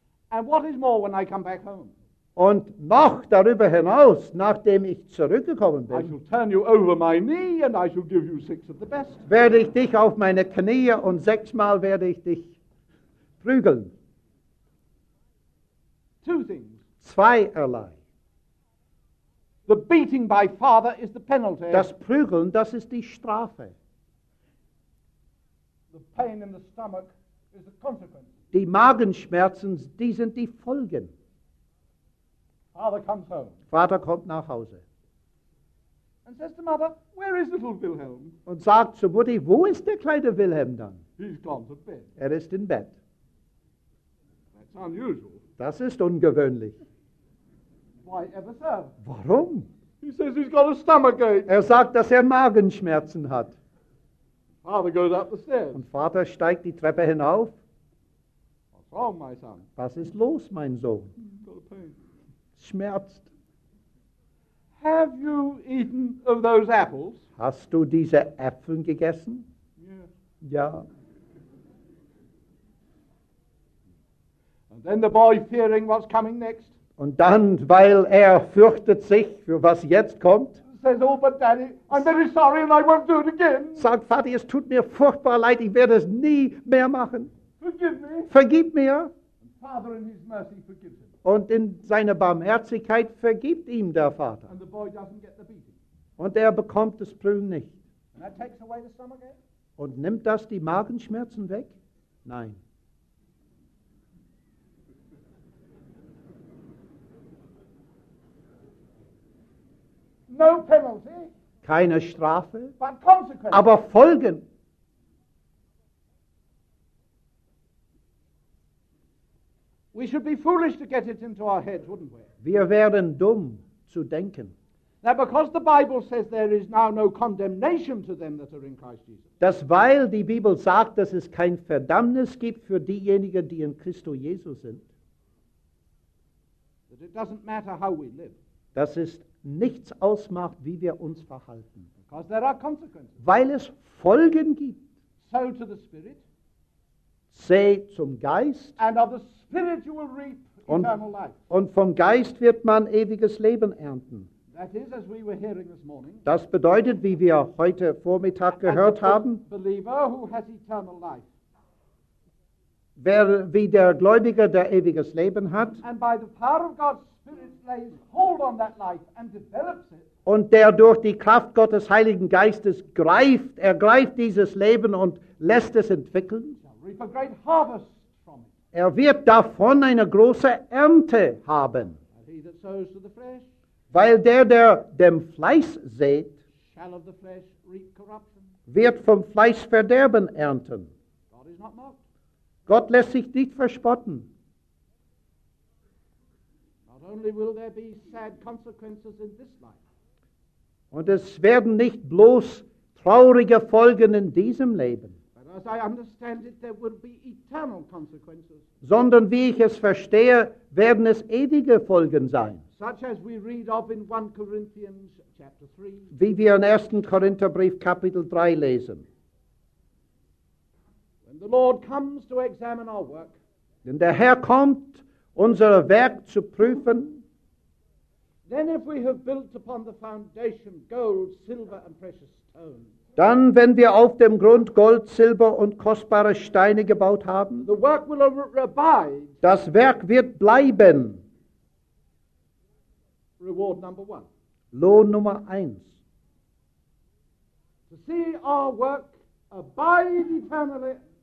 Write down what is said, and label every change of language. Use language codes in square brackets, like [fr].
[en] And what is more, when I come back home. [de] Und noch darüber hinaus, nachdem ich zurückgekommen bin, [en] I shall turn you over my knee and I shall give you six of the best. [de] Werde ich dich auf meine Knie und sechsmal werde ich dich prügeln. [en] Two things. [de] Zweierlei. [en] The beating by father is the penalty. [de] Das Prügeln, das ist die Strafe. [en] The pain in the stomach is the consequence. [de] Die Magenschmerzen, die sind die Folgen. [en] Father comes home. [de] Vater kommt nach Hause. [en] And says to mother, where is little Wilhelm? [de] Und sagt zu Mutti, wo ist der kleine Wilhelm dann? [en] He's gone to bed. [de] Er ist in Bett. [en] That's unusual. [de] Das ist ungewöhnlich. [en] why ever serve. [de] Warum? [en] He says he's got a stomachache. [de] Sagt, dass Magenschmerzen hat. [en] Father goes up the stairs. [de] Und Vater steigt die Treppe hinauf. [en] What's wrong, my son? [de] Was ist los, mein Sohn? [en] Got a pain. [de] Schmerzt. [en] Have you eaten of those apples? [de] Hast du diese Äpfel gegessen? [en] Yes. [de] Ja. [en] And then the boy fearing what's coming next. [de] Und dann, weil fürchtet sich für was jetzt kommt. [en] Says, oh, but Daddy, I'm very sorry and I won't do it again. [de] Sagt, Vati, es tut mir furchtbar leid, ich werde es nie mehr machen. [en] Forgive me. [de] Vergib mir. [en] And Father in his mercy forgives him. [de] Und in seiner Barmherzigkeit vergibt ihm der Vater. [en] And the boy doesn't get the beating. [de] Und bekommt das Prügeln nicht. [en] And that takes away the stomach ache? [de] Und nimmt das die Magenschmerzen weg? Nein. [en] No penalty. [de] Keine Strafe. [en] But consequences. [de] Aber Folgen. [en] We should be foolish to get it into our heads, wouldn't we? [de] Wir wären dumm zu denken. [en] Now, because the Bible says there is now no condemnation to them that are in Christ Jesus. [de] Das weil die Bibel sagt, dass es kein Verdammnis gibt für diejenigen, die in Christo Jesus sind. [en] That it doesn't matter how we live. [de] Das ist nichts ausmacht, wie wir uns verhalten. [en] Because there are consequences. [de] Weil es Folgen gibt. [en] So to the Spirit. [de] Say zum Geist. [en] And of the Spirit you will reap eternal life. [de] Und vom Geist wird man ewiges Leben ernten. [en] That is, as we were hearing this morning. [de] Das bedeutet, wie wir heute Vormittag gehört haben. [en] Believer who has eternal life. [de] Wer wie der Gläubige, der ewiges Leben hat. [en] And by the power of God's lays hold on that life and develops it. [de] Und der durch die Kraft Gottes Heiligen Geistes ergreift dieses Leben und lässt es entwickeln. [en] Reap a great harvest from it. [de] Wird davon eine große Ernte haben. [en] He that sows to the flesh, [de] weil der dem Fleisch sät, [en] shall of the flesh reap corruption. [de] Wird vom Fleisch Verderben ernten. [en] God is not mocked. [de] Gott lässt sich nicht verspotten. [en] Only will there be sad consequences in this life. [de] Und es werden nicht bloß traurige Folgen in diesem Leben. [en] But as I understand it, there will be eternal consequences. [de] Sondern wie ich es verstehe, werden es ewige Folgen sein. [en] Such as we read of in 1 Corinthians chapter 3. [de] Wie wir in 1. Korintherbrief Kapitel 3 lesen. [en] When the Lord comes to examine our work. [de] Denn der Herr kommt, unser Werk zu prüfen. [en] Then if we have built upon the foundation gold, silver and precious stones. [de] Dann, wenn wir auf dem Grund Gold, Silber und kostbare Steine gebaut haben. [en] The work will abide. [de] Das Werk wird bleiben. [en] Reward number one. [de] Lohn Nummer eins. [en] To see our work abide eternally.